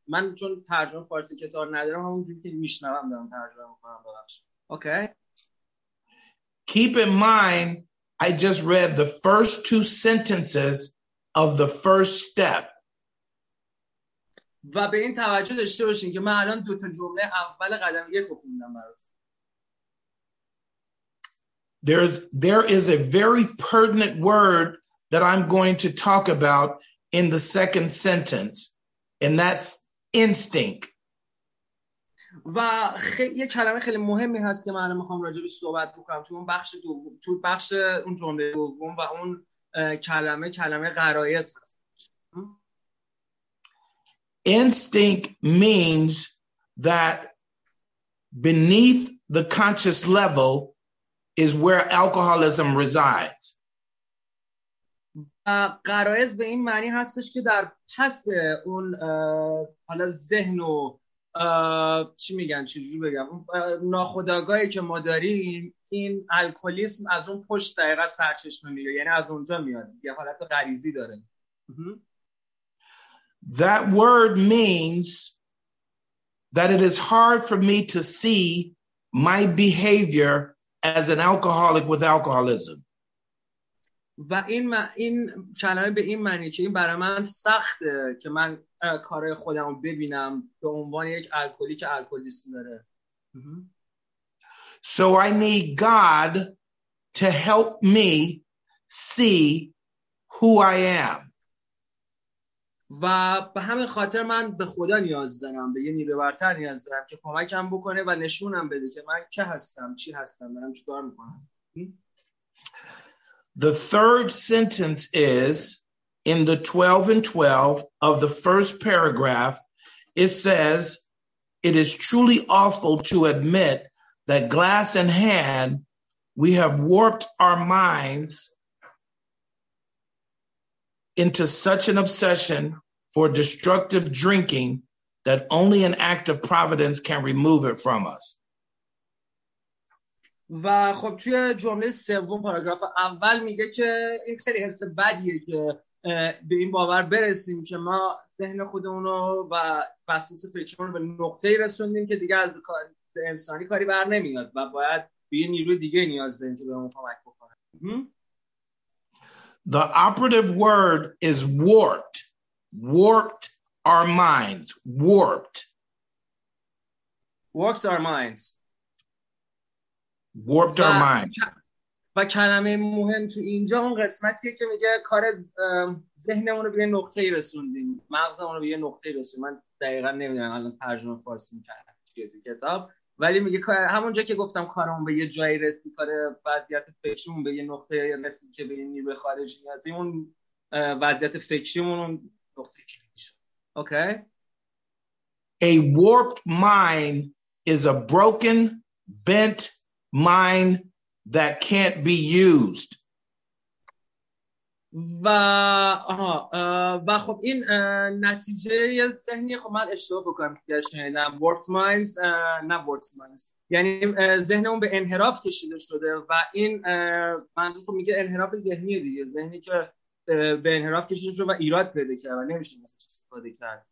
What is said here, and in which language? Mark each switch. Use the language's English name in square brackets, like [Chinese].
[Persian] من چون ترجمه فارسی کتاب ندارم همونجوری که میشنوم دارم ترجمه میکنم. اوکی. [English] Keep in mind, I just read the first two sentences of the first step. [Persian] و به این توجه داشته باشین که من الان دو تا جمله اول قدم یک رو خوندم براتون. [English] There is a very pertinent word that I'm going to talk about in the second sentence, and that's instinct. [Persian] و یه کلمه خیلی مهمی هست که من میخوام راجبش صحبت بکنم تو بخش اون جمله دوم و اون کلمه غرایز هست. [English] Instinct means that beneath the conscious level is where alcoholism resides. [Persian] غرایز به این معنی هستش که در پس اون حالا ذهن و چی میگن چجوری بگم ناخودآگاهی که ما داریم این الکلیسم از اون پشت دقیقا سرچشمه میگه، یعنی از اونجا میاد، یه حالت غریزی داره. [English] That word means that it is hard for me to see my behavior as an alcoholic with alcoholism. [Persian] و این کلمه به این معنی که این برای من سخته که من کارهای خودم رو ببینم به عنوان یک الکلی که الکلیسم داره. [English] So I need God to help me see who I am. [Persian] و به همین خاطر من به خدا نیاز دارم، به یه نیروی برتر نیاز دارم که کمکم بکنه و نشونم بده که من که هستم، چی هستم، دارم چی کار میکنم. [English] The third sentence is in the 12 and 12 of the first paragraph. It says, it is truly awful to admit that glass in hand, we have warped our minds into such an obsession for destructive drinking that only an act of providence can remove it from us. [Persian] و خب توی جمله سوم پاراگراف اول میگه که این خیلی حس بدیه که به این باور برسیم که ما ذهن خودمونو و وسواس فکرمون به نقطه‌ای رسوندیم که دیگه از کار انسانی کاری بر نمیاد و باید به نیروی دیگه نیاز داریم که بهمون کمک بکنه. [English] The operative word is warped. Warped our minds. Warped. Warped our minds. Warped our mind. [Persian] و کلمه مهم تو اینجا اون قسمتیه که میگه کار ذهنمون رو به یه نقطه‌ای رسوندیم، مغزمون رو به یه نقطه‌ای رسوندیم. من دقیقاً نمیدونم الان ترجمه فارسی می‌کردم توی کتاب، ولی میگه همونجا که گفتم کارمون به یه جایی رسید، کار وضعیت فکریمون به یه نقطه‌ای رسید که به این نیروی خارجی نیازیم، اون وضعیت فکریمون اون نقطه‌ای که میشه. اوکی. [English] A warped mind is a broken, bent mind that can't be used. [Persian] و خب این نتیجه ذهنی، خب من اشتباه بکنم که شنیدم warped minds نه warped minds، یعنی ذهنمون به انحراف کشیده شده و این منظور خب میگه انحراف ذهنی دیگه، ذهنی که به انحراف کشیده شده و ایراد پیدا کرده و نمیشه استفاده کرد.